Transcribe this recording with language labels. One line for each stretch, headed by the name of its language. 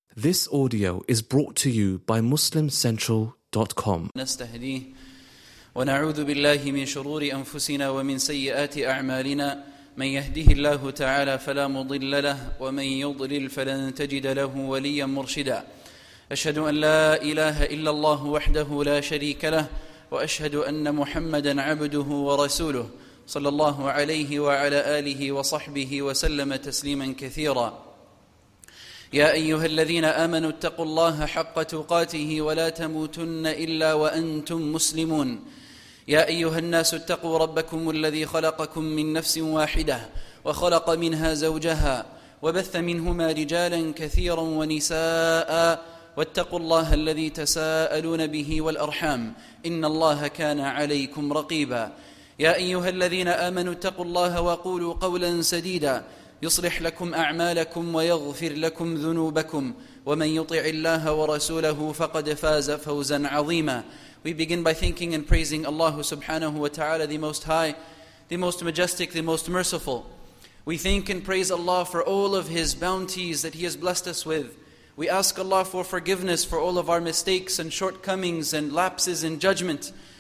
English: This audio is brought to you by MuslimCentral.com.
Arabic: نستهدي ونعوذ بالله من شرور أنفسنا ومن سيئات أعمالنا. من يهده الله تعالى فلا مضل له ومن يضلل فلن تجد له وليا مرشدا. أشهد أن لا إله إلا الله وحده لا شريك له وأشهد أن محمدا عبده ورسوله صلى الله عليه وعلى آله وصحبه وسلم تسليما كثيرا. يا أيها الذين آمنوا اتقوا الله حق تقاته ولا تموتن إلا وأنتم مسلمون. يا أيها الناس اتقوا ربكم الذي خلقكم من نفس واحدة وخلق منها زوجها وبث منهما رجالا كثيرا ونساء واتقوا الله الذي تساءلون به والأرحام إن الله كان عليكم رقيبا. يا أيها الذين آمنوا اتقوا الله وقولوا قولا سديدا يصلح لكم أعمالكم ويغفر لكم ذنوبكم ومن يطع الله ورسوله فقد فاز فوزا عظيما.
English: We begin by thanking and praising Allah subhanahu wa ta'ala, the Most High, the Most Majestic, the Most Merciful. We thank and praise Allah for all of His bounties that He has blessed us with. We ask Allah for forgiveness for all of our mistakes and shortcomings and lapses in judgment.